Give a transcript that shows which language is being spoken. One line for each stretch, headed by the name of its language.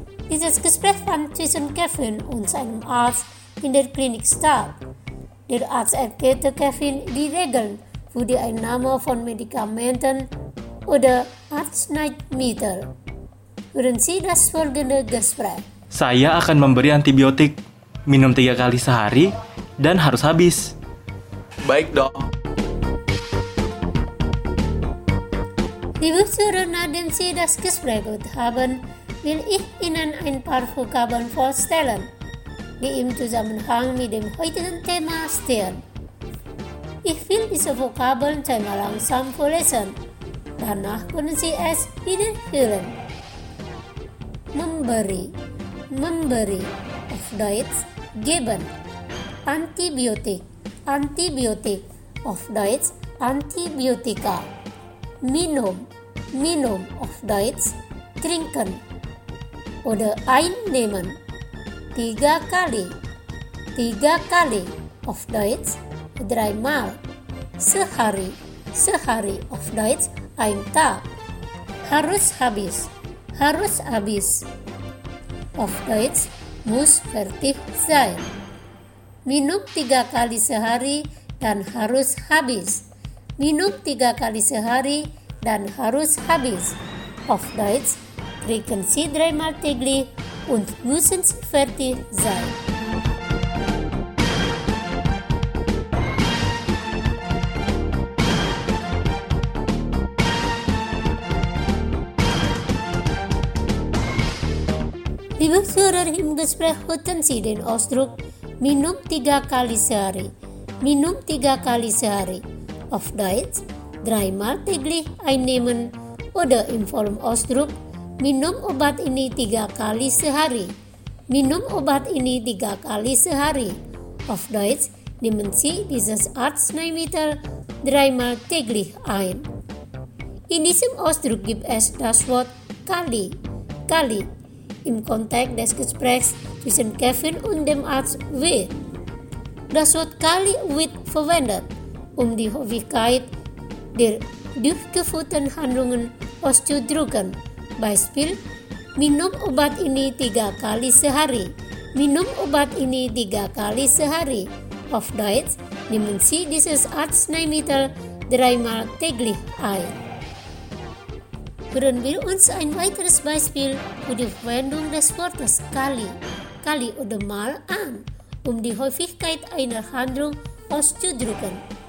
German: Dieses Gespräch fand zwischen Kevin und seinem Arzt in der Klinik statt. Der Arzt erklärte Kevin die Regeln für die Einnahme von Medikamenten oder Arzneimittel. Hören Sie das folgende Gespräch.
Indonesian: Saya akan memberi antibiotik, minum 3 kali sehari, dan harus habis. Baik, dok.
German: Liebe Zuhörer, nachdem Sie das Gespräch gehört haben, will ich Ihnen ein paar Vokabeln vorstellen, die im Zusammenhang mit dem heutigen Thema stehen. Ich will diese Vokabeln zweimal langsam vorlesen. Danach können Sie es wiederhören. Memberi. Memberi, auf Deutsch geben. Antibiotik, antibiotik, auf Deutsch antibiotika. Minum, minum, auf Deutsch trinken. Oder einnehmen. Tiga kali, auf Deutsch dreimal. Sehari, sehari, auf Deutsch ein Tag.
Indonesian: Harus habis, harus habis.
German: Auf Deutsch muss fertig sein.
Indonesian: Minum 3 kali sehari dan harus habis. Minum 3 kali sehari dan harus habis.
German: Auf Deutsch trinken Sie dreimal täglich und müssen fertig sein. Liebe Hörer, im Gespräch hörten Sie den Ausdruck
Indonesian: minum tiga kali sehari. Minum tiga kali sehari.
German: Auf Deutsch, dreimal täglich einnehmen. Oder im vollen Ausdruck,
Indonesian: minum obat ini tiga kali sehari. Minum obat ini tiga kali sehari.
German: Auf Deutsch, nehmen Sie dieses Arzneimittel dreimal täglich ein. In diesem Ausdruck gibt es das Wort kali. Kali. Im Kontext des Gesprächs zwischen Kevin und dem Arzt W. Das Wort Kali wird verwendet, um die Häufigkeit der durchgeführten Handlungen auszudrücken.
Indonesian: Beispiel, minum obat ini tiga kali sehari. Minum obat ini tiga kali sehari.
German: Auf Deutsch, nehmen Sie dieses Arzneimittel dreimal täglich ein. Hören wir uns ein weiteres Beispiel für die Verwendung des Wortes Kali. Kali oder mal an, um die Häufigkeit einer Handlung auszudrücken.